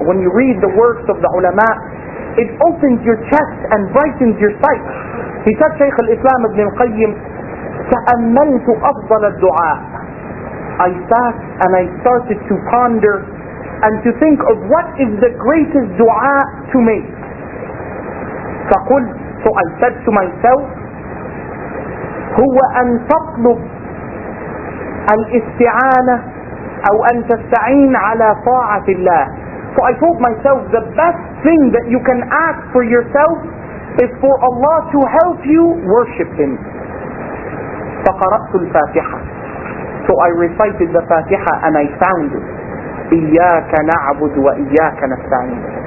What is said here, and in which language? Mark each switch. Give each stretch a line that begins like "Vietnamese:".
English: When you read the works of the ulama, it opens your chest and brightens your sight. He said, Shaykh al-Islam ibn al-Qayyim,
Arabic: تَأَمَّلْتُ أَفْضَلَ الدُّعَاءِ.
English: I sat and I started to ponder and to think of what is the greatest dua to make.
Arabic: فقل,
English: so I said to myself,
Arabic: هُوَ أَن تَطْلُبْ الْإِسْتِعَانَةِ أَوْ أَن تَسْتَعِينَ عَلَى طَاعَةِ اللَّهِ.
English: So I told myself, the best thing that you can ask for yourself is for Allah to help you worship Him.
Arabic: فَقَرَأْتُ الْفَاتِحَةِ.
English: So I recited the Fatiha and I found it.
Arabic: إِيَّاكَ نَعْبُدُ وَإِيَّاكَ نَسْتَعِينَ.